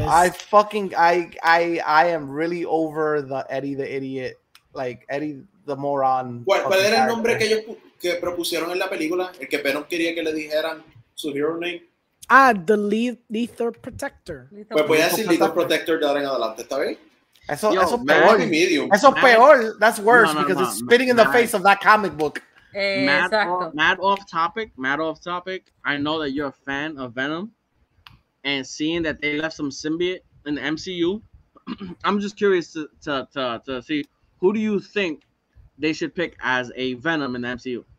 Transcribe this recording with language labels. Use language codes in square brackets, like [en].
[en] I am really over the Eddie the Idiot, like Eddie the Moron. [es] ¿Cuál era el nombre que ellos que propusieron en la película? El que Venom quería que le dijeran su hero name. [en] Ah, the Lethal Protector. [es] Pues voy a decir Lethal Protector de ahora en adelante, ¿está bien? Eso peor. Eso peor. [en] That's worse because it's spitting in the face of that comic book. Mad off topic. I know that you're a fan of Venom, and seeing that they left some symbiote in the MCU, I'm just curious to see who do you think they should pick as a Venom in the MCU.